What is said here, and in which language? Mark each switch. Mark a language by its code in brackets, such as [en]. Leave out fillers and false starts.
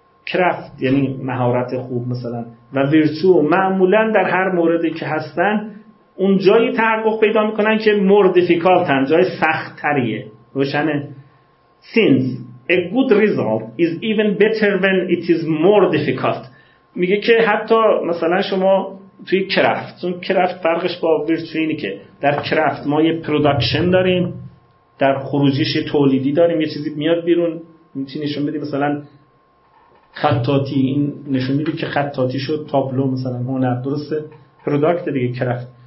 [fa] Craft یعنی مهارت خوب مثلا و virtue معمولا در هر موردی که هستن اون جایی تحقق پیدا میکنن که [en] more difficult [fa] ن، جای سخت تریه. روشنه؟ [en] Since a good result is even better when it is more difficult. [fa] میگه که حتی مثلا شما توی کرافت، چون کرافت فرقش با ویرچو اینی که در کرافت ما یه پروداکشن داریم، در خروجیش یه تولیدی داریم، یه چیزی میاد بیرون میتونی نشون بدی، مثلا خطاطی، این نشون میده که خطاطی شد تابلو مثلا هنر، درسته؟ پروداکت دیگه کرافت.